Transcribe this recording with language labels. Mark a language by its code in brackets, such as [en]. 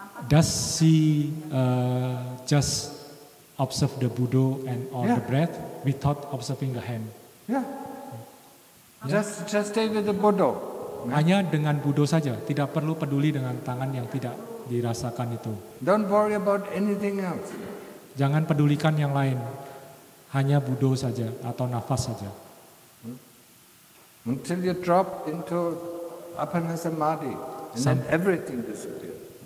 [en] Does she just observe the Budo and all the breath without observing the hand? Yeah. Just stay with the Budo. [id] Hanya dengan Budo saja, tidak perlu peduli dengan tangan yang tidak dirasakan itu. [en] Don't worry about anything else. [id] Jangan pedulikan yang lain. Hanya Budo saja atau nafas saja. [en] Until you drop into apanya samadhi, and then everything disappears.